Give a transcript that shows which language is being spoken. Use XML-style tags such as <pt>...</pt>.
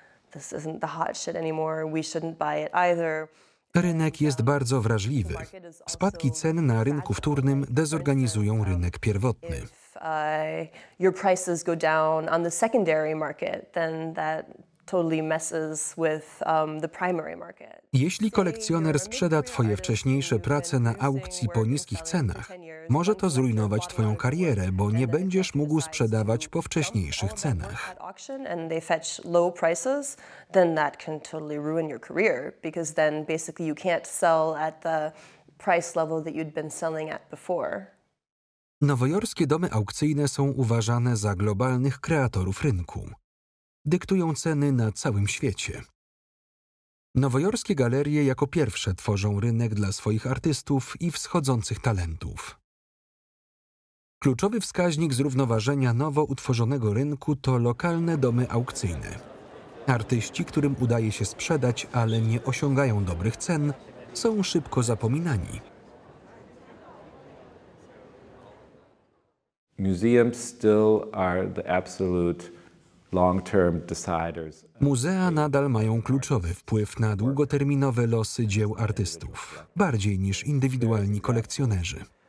<en>this isn't the hot shit anymore, we shouldn't buy it either.</en> <pl>Rynek jest bardzo wrażliwy. Spadki cen na rynku wtórnym dezorganizują rynek pierwotny.</pl> <en>Your prices go down on the secondary market, then that totally messes with the primary market.</en> <pl>Jeśli kolekcjoner sprzeda twoje wcześniejsze prace na aukcji po niskich cenach, może to zrujnować twoją karierę, bo nie będziesz mógł sprzedawać po wcześniejszych cenach.</pl> <en>And they fetch low prices, then that can totally ruin your career, because then basically you can't sell at the price level that you'd been selling at before.</en> <pl>Nowojorskie domy aukcyjne są uważane za globalnych kreatorów rynku. Dyktują ceny na całym świecie. Nowojorskie galerie jako pierwsze tworzą rynek dla swoich artystów i wschodzących talentów. Kluczowy wskaźnik zrównoważenia nowo utworzonego rynku to lokalne domy aukcyjne. Artyści, którym udaje się sprzedać, ale nie osiągają dobrych cen, są szybko zapominani.</pl> <en>Museums still are the absolute long-term deciders.</en> <pl>Muzea nadal mają kluczowy wpływ na długoterminowe losy dzieł artystów, bardziej niż indywidualni kolekcjonerzy.</pl>